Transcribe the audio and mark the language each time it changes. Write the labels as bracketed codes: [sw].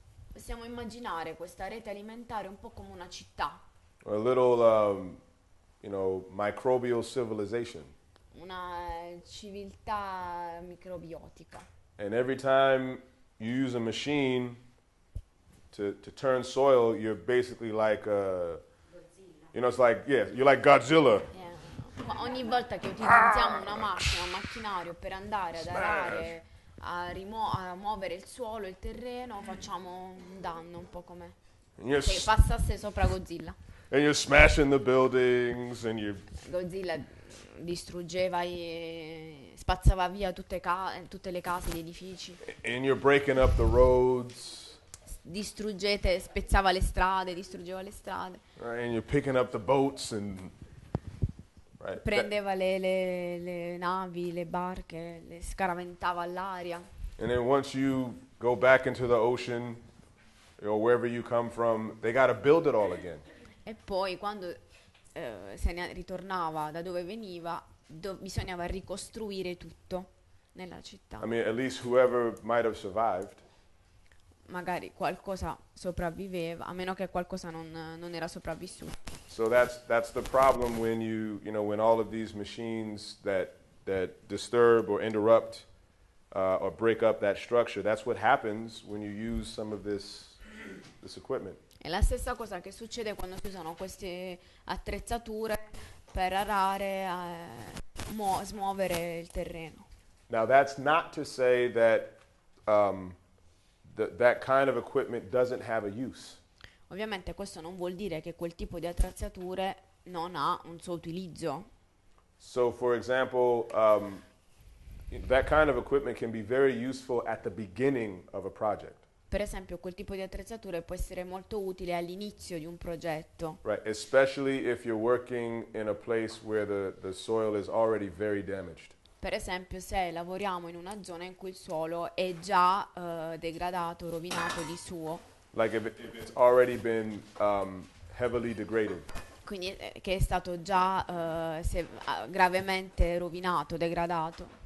[it] Possiamo immaginare questa rete alimentare un po' come una città. [en] A little, microbial civilization. [it] Una civiltà microbiotica. [en] And every time you use a machine to turn soil, you're basically like a... Godzilla. You know, it's like, yeah, you're like Godzilla. Yeah. [it] Ogni volta che utilizziamo una macchina, un macchinario, per andare ad arare... A muovere il suolo, il terreno, facciamo un danno, un po' come se passasse sopra Godzilla. [en] And you're smashing the buildings, and you... [it] Godzilla distruggeva spazzava via tutte le case, gli edifici. [en] And you're breaking up the roads. [it] Distruggete, spezzava le strade, distruggeva le strade. [en] Right, and you're picking up the boats and... Right. [it] Prendeva le navi, le barche, le scaraventava all'aria. [en] And then once you go back into the ocean, or wherever you come from, they got to build it all again. [it] E poi quando se ne ritornava da dove veniva, bisognava ricostruire tutto nella città. [en] I mean, at least whoever might have survived. [it] Magari qualcosa sopravviveva, a meno che qualcosa non era sopravvissuto. [en] So that's the problem when when all of these machines that disturb or interrupt or break up that structure. That's what happens when you use some of this equipment. [it] È la stessa cosa che succede quando si usano queste attrezzature per arare smuovere il terreno. [en] Now that's not to say that that kind of equipment doesn't have a use. [it] Ovviamente questo non vuol dire che quel tipo di attrezzature non ha un suo utilizzo. [en] So for example, that kind of equipment can be very useful at the beginning of a project. [it] Per esempio, quel tipo di attrezzature può essere molto utile all'inizio di un progetto. [en] Right, especially if you're working in a place where the soil is already very damaged. [it] Per esempio, se lavoriamo in una zona in cui il suolo è già degradato, rovinato di suo. [en] Like if it's already been heavily degraded. [it] Quindi che è stato già gravemente rovinato, degradato.